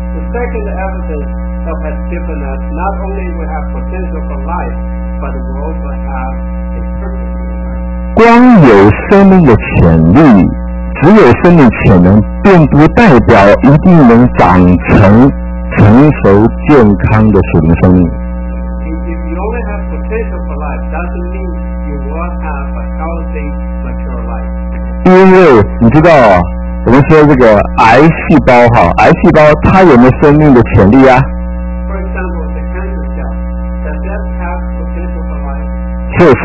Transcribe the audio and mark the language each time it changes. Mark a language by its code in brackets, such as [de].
[en] second evidence God has given us, not only we have potential for life, but we also have a purpose in life. [zh] 光有生命的潜力。只有生命潜能，并不代表一定能长成成熟健康的属灵生命。 [en] If you only have potential for life, doesn't mean you won't have a healthy, mature life. [zh] 因为你知道，我们说这个癌细胞，癌细胞它有没有生命的潜力啊？ [en] For example, the cancer cell, does that have potential for life?